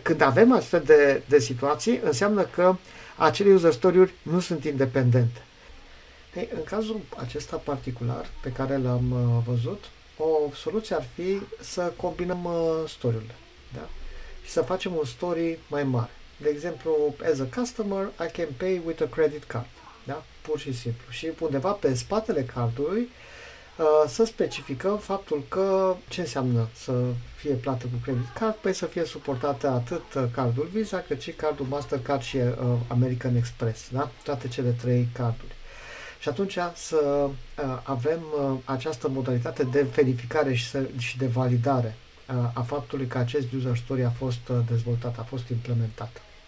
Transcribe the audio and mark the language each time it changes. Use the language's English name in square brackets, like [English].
[Romanian] Când avem astfel de situații, înseamnă că acele user story-uri nu sunt independente. Ei, în cazul acesta particular pe care l-am văzut, o soluție ar fi să combinăm story-urile, da? Și să facem un story mai mare. De exemplu, [English] as a customer, I can pay with a credit card, da? [Romanian] Pur și simplu. Și undeva pe spatele cardului să specificăm faptul că ce înseamnă să fie plată cu credit card, păi să fie suportată atât cardul Visa, cât și cardul Mastercard și American Express, da? Toate cele trei carduri. Și atunci să avem această modalitate de verificare și de validare a faptului că acest user story a fost dezvoltat, a fost implementat.